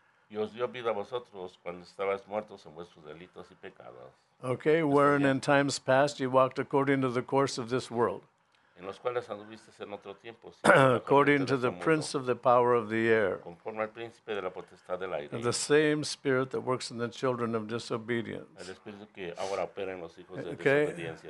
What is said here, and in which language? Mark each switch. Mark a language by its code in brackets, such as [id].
[es] Y os dio vida a vosotros cuando estabais muertos en vuestros delitos y pecados. [en] Okay, wherein in times past you walked according to the course of this world. [es] En los cuales anduvisteis en otro tiempo. [en] According to the prince of the power of the air. [es] Conforme al príncipe de la potestad del aire. [en] And the same spirit that works in the children of disobedience. [es] El espíritu que ahora opera en los hijos de desobediencia.